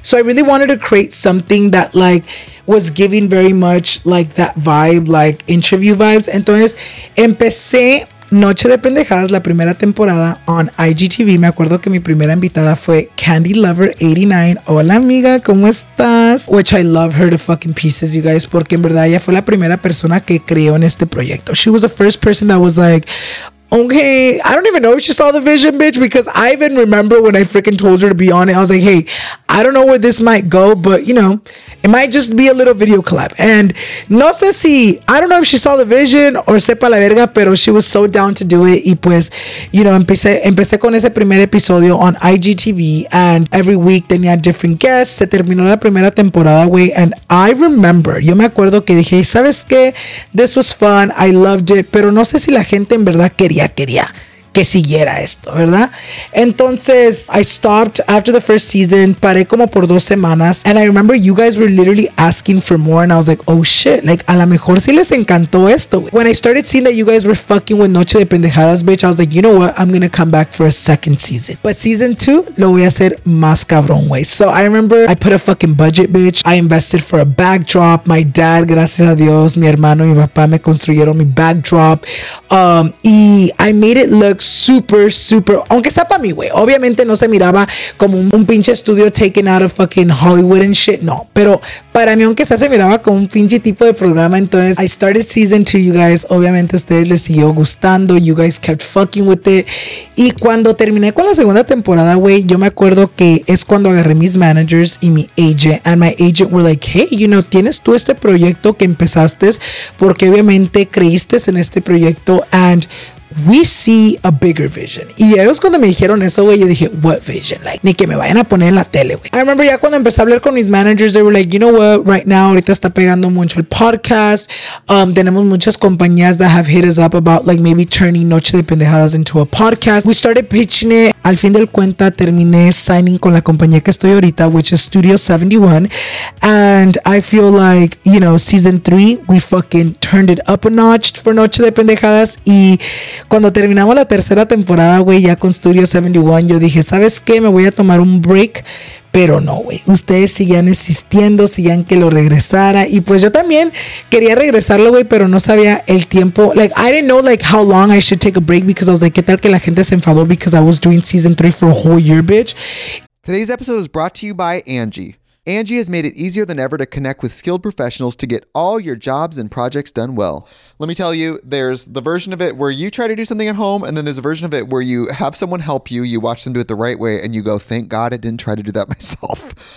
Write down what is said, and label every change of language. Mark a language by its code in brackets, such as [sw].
[en] So I really wanted to create something that like was giving very much like that vibe, like interview vibes. [es] Entonces empecé Noche de Pendejadas, la primera temporada, [en] on IGTV. [es] Me acuerdo que mi primera invitada fue Candy Lover 89. Hola amiga, ¿cómo estás? [en] Which I love her to fucking pieces, you guys, [es] porque en verdad ella fue la primera persona que creó en este proyecto. She was the first person that was like, okay, I don't even know if she saw the vision, bitch, because I even remember when I freaking told her to be on it. I was like, hey, I don't know where this might go, but, you know, it might just be a little video collab. [en] And [es] no sé si, [en] I don't know if she saw the vision or [es] sepa la verga, pero [en] she was so down to do it. [es] Y pues, [en] you know, [es] empecé con ese primer episodio [en] on IGTV, and every week [es] tenía [en] different guests. [es] Se terminó la primera temporada, güey, [en] and I remember, [es] yo me acuerdo que dije, ¿sabes qué? [en] This was fun, I loved it, [es] pero no sé si la gente en verdad quería que siguiera esto, ¿verdad? [en] Entonces, I stopped after the first season, [es] paré como por 2 semanas, [en] and I remember you guys were literally asking for more, and I was like, oh shit, like, [es] a lo mejor sí les encantó esto. [en] When I started seeing that you guys were fucking with Noche de Pendejadas, bitch, I was like, you know what, I'm gonna come back for a second season. But season 2, [es] lo voy a hacer más cabrón, güey. So I remember I put a fucking budget, bitch. I invested for a backdrop. [en] My dad, [es] gracias a Dios, mi hermano, mi papá me construyeron mi backdrop. [en] Y I made it look super, super, [es] aunque sea para mí, güey. Obviamente no se miraba como un pinche estudio [en] taken out of fucking Hollywood and shit, [es] no. Pero para mí, aunque sea, se miraba como un pinche tipo de programa. [en] Entonces, I started season 2, you guys. [es] Obviamente a ustedes les siguió gustando. [en] You guys kept fucking with it. [es] Y cuando terminé con la segunda temporada, güey, yo me acuerdo que es cuando agarré mis managers y mi agent. [en] And my agent were like, hey, you know, [es] tienes tú este proyecto que empezaste porque obviamente creíste en este proyecto. [en] And we see a bigger vision. [es] Y ellos cuando me dijeron eso, güey, yo dije, [en] what vision? [es] Like, ni que me vayan a poner en la tele, güey. [en] I remember [es] ya cuando empecé a hablar con mis managers, [en] they were like, you know what, right now, [es] ahorita está pegando mucho el podcast. Tenemos muchas compañías [en] that have hit us up about, like, maybe turning Noche de Pendejadas into a podcast. We started pitching it. [es] Al fin del cuenta, terminé signing con la compañía que estoy ahorita, [en] which is Studio 71. And I feel like, you know, season 3, we fucking turned it up a notch for Noche de Pendejadas. [es] Y cuando terminamos la tercera temporada, güey, ya con Studio 71, yo dije, ¿sabes qué? Me voy a tomar un break. Pero no, güey. Ustedes seguían insistiendo, seguían que lo regresara. Y pues yo también quería regresarlo, güey, pero no sabía el tiempo. [en] Like, I didn't know, like, how long I should take a break, because I was like, [es] ¿qué tal que la gente se enfadó [en] because I was doing season 3 for a whole year, bitch? Today's episode is brought to you by Angie. Angie has made it easier than ever to connect with skilled professionals to get all your jobs and projects done well. Let me tell you, there's the version of it where you try to do something at home, and then there's a version of it where you have someone help you, you watch them do it the right way, and you go, thank God I didn't try to do that myself.